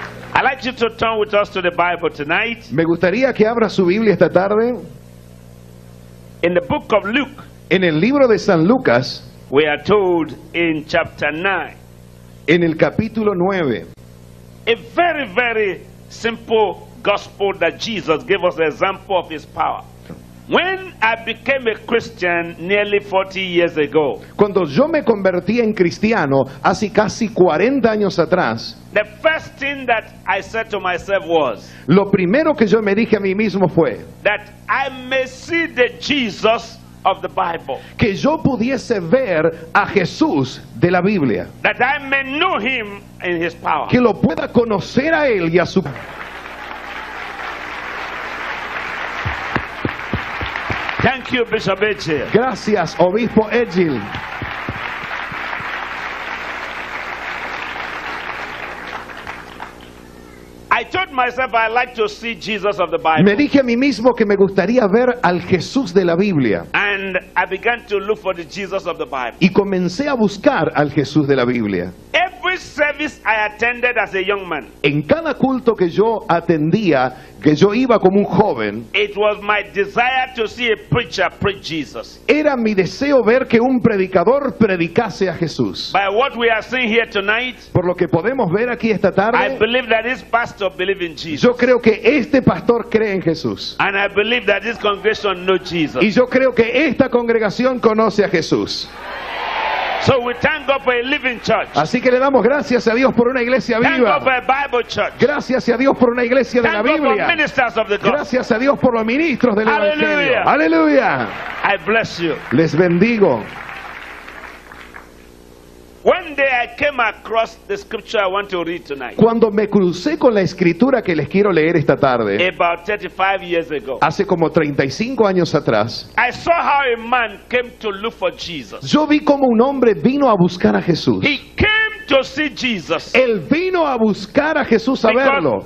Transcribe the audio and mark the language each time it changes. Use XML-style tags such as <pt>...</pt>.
<en>I'd like you to turn with us to the Bible tonight.</en> <es>Me gustaría que abra su Biblia esta tarde.</es> <en>In the book of Luke.</en> <es>En el libro de San Lucas.</es> <en>We are told in chapter 9.</en> <es>En el capítulo 9.</es> <en>A very, very simple gospel that Jesus gave us an example of his power. When I became a Christian nearly 40 years ago.</en> <es>Cuando yo me convertí en cristiano hace casi 40 años atrás.</es> <en>The first thing that I said to myself was.</en> <es>Lo primero que yo me dije a mí mismo fue.</es> <en>That I may see the Jesus of the Bible.</en> <es>Que yo pudiese ver a Jesús de la Biblia.</es> <en>That I may know him in his power.</en> <es>Que lo pueda conocer a él y a su.</es> <en>Thank you, Bishop Edgil.</en> <es>Gracias, Obispo Edgil.</es> <en>I told myself I like to see Jesus of the Bible.</en> <es>Me dije a mí mismo que me gustaría ver al Jesús de la Biblia.</es> <en>And I began to look for the Jesus of the Bible.</en> <es>Y comencé a buscar al Jesús de la Biblia.</es> <en>Every service I attended as a young man.</en> <es>En cada culto que yo atendía, que yo iba como un joven.</es> <en>It was my desire to see a preacher preach Jesus.</en> <es>Era mi deseo ver que un predicador predicase a Jesús.</es> <en>By what we are seeing here tonight.</en> <es>Por lo que podemos ver aquí esta tarde.</es> <en>I believe that this pastor believes in Jesus.</en> <es>Yo creo que este pastor cree en Jesús.</es> <en>And I believe that this congregation knows Jesus.</en> <es>Y yo creo que esta congregación conoce a Jesús.</es> <en>So we thank God for a living church.</en> <es>Así que le damos gracias a Dios por una iglesia viva.</es> <en>Thank God for a Bible church.</en> <es>Gracias a Dios por una iglesia</es> <en>thank</en> <es>de la Biblia.</es> <en>God for ministers of the gospel.</en> <es>Gracias a Dios por los ministros del Aleluya. Evangelio. Aleluya.</es> <en>I bless you.</en> <es>Les bendigo.</es> <en>One day I came across the scripture I want to read tonight.</en> <es>Cuando me crucé con la escritura que les quiero leer esta tarde.</es> <en>About 35 years ago.</en> <es>Hace como 35 años atrás.</es> <en>I saw how a man came to look for Jesus.</en> <es>Yo vi cómo un hombre vino a buscar a Jesús.</es> <en>He came to see Jesus.</en> <es>Él vino a buscar a Jesús a verlo.</es>